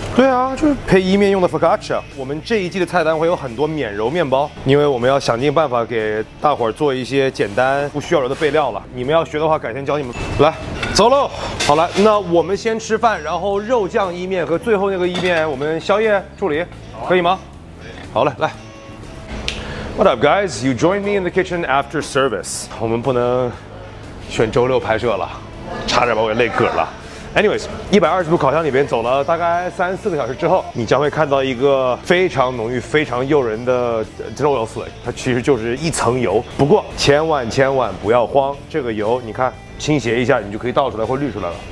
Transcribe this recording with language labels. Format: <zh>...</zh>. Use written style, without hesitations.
<zh>对啊，就是配意面用的 focaccia。我们这一季的菜单会有很多免揉面包，因为我们要想尽办法给大伙儿做一些简单不需要揉的备料了。你们要学的话，改天教你们。来，走喽。好了，那我们先吃饭，然后肉酱意面和最后那个意面，我们宵夜助理、啊、可以吗？好嘞，来。</zh> <en>What up, guys? You join me in the kitchen after service.</en> <zh>我们不能选周六拍摄了，差点把我给累嗝了。 Anyways, 120度烤箱里边走了大概3-4个小时之后，你将会看到一个非常浓郁、非常诱人的 肉油 flake。它其实就是一层油，不过千万千万不要慌，这个油你看倾斜一下，你就可以倒出来或滤出来了。</zh>